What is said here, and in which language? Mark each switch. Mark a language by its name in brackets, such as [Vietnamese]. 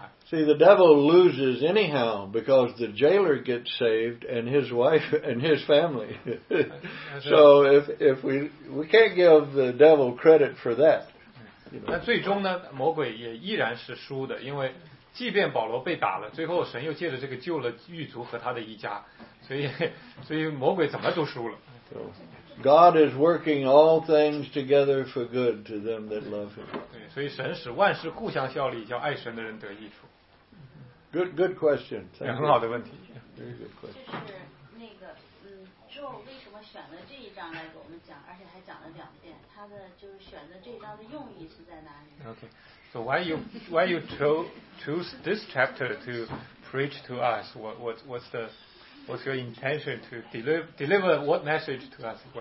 [English] See, the devil loses anyhow because the jailer gets saved and his wife and his family. So if we can't give the devil credit for that. You know. [Chinese] 即便保罗被打了，最后神又借着这个救了狱卒和他的一家，所以魔鬼怎么都输了。 [English] God is working all things together for good to them that love Him. [Chinese] 所以神使万事互相效力，叫爱神的人得益处。 [English] Good question. [Chinese] 很好的问题。 [English] Very good question. [Chinese] 就是那个，Joe 为什么选了这一章来给我们讲，而且还讲了两遍？他的就是选的这一章的用意是在哪里 [English] ？Okay. So why you chose this chapter to preach to us? What's your intention to deliver what message to us?